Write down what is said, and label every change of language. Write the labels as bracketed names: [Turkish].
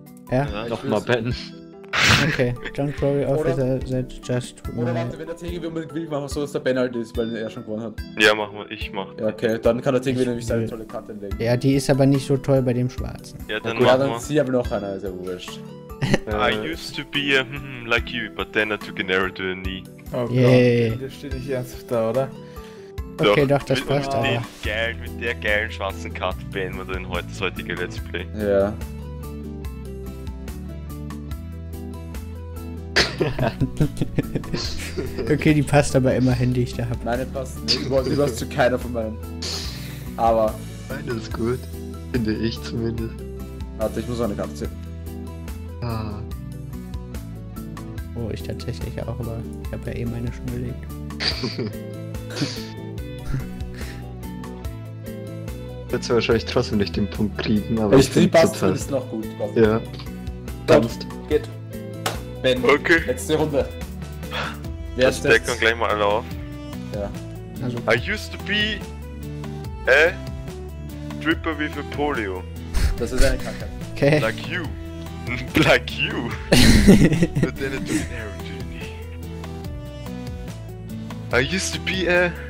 [German] Ja? Nochmal Ben. [English] Okay, don't worry, Officer, that's just my... [German] Oder warte, wenn der TGW unbedingt will, machen wir so, dass der Ben halt ist, weil er schon gewonnen hat. Ja, machen wir, ich mach. Ja, okay, dann kann der TGW nämlich seine tolle Karte legen. Ja, die ist aber nicht so toll bei dem Schwarzen. Ja, dann machen wir. Ja, dann sie aber noch einer, ist ja wurscht. [English] I used to be like you, but then I took an arrow to the knee. Oh yeah. God, [German] das steht nicht ernsthaft da, oder? Doch. Okay, doch, das passt aber. Mit der geilen schwarzen Karte beenden wir den heutige Let's Play. Ja. Yeah. Okay, die passt aber immerhin, die ich da hab. Nein, die passt nicht. Die passt zu keiner von meinen. Aber... Meine ist gut. Finde ich zumindest. Warte, ich muss noch eine Karte ziehen. Oh, ich tatsächlich auch, aber ich habe ja eh meine schon gelegt. Wird's wahrscheinlich trotzdem nicht den Punkt kriegen, aber ich finde es total. Ist noch gut. Komm. Ja. Dann geht. Ben, okay. Letzte Runde. Wer das deckt dann gleich mal alle auf. Ja. Also. [English] I used to be a dripper with a polio. [German] Das ist eine Krankheit. Okay. [English] Like you. Like you! But then it took an arrow to your knee. I used to be a...